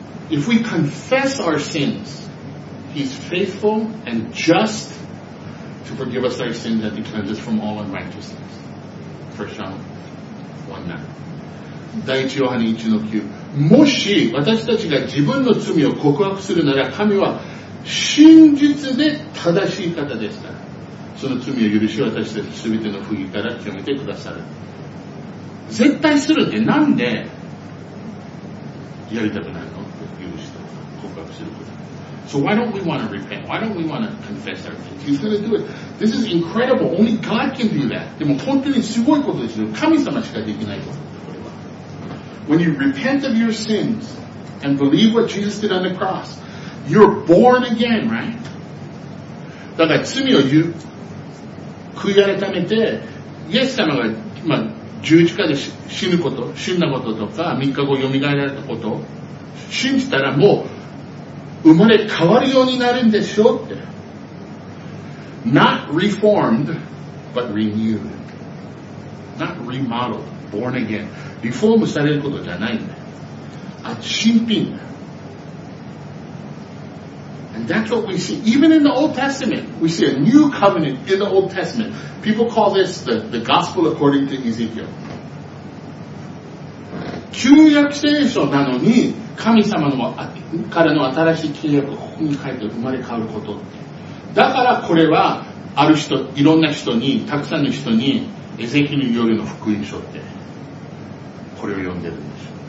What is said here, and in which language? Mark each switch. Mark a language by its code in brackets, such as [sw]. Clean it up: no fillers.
[en] If we confess our sins, He's faithful and just to forgive us our sins and to cleanse us from all unrighteousness. 1 John 1:9. 第1ヨハネ 1:9. [ja] もし私たちが自分の罪を告白するなら、神は真実で正しい方ですから、その罪を許し、私たち全ての不義から清めてくださる。絶対するって、なんでやりたくないの？許して告白すること。 [en] So why don't we want to repent? Why don't we want to confess our sins? He's going to do it. This is incredible. Only God can do that. [ja] でも本当にすごいことですよ。神様しかできないこと。 [en] When you repent of your sins and believe what Jesus did on the cross, you're born again, right? [ja] だから罪を悔い改めて、イエス様が、まあ、十字架で死ぬこと、死んだこととか、3日後蘇られたこと、信じたらもう生まれ変わるようになるんでしょって。 [en] Not reformed, but renewed. Not remodeled. Born again. [ja] リフォームされることじゃないんだ。あ、新品だ。 [en] And that's what we see. Even in the Old Testament, we see a new covenant in the Old Testament. People call this the gospel according to Ezekiel. [ja] 旧約聖書なのに、神様のからの新しい契約をここに書いて生まれ変わること。だからこれは、ある人、いろんな人に、たくさんの人に、エゼキエルによるの福音書って。これを読んでるんです。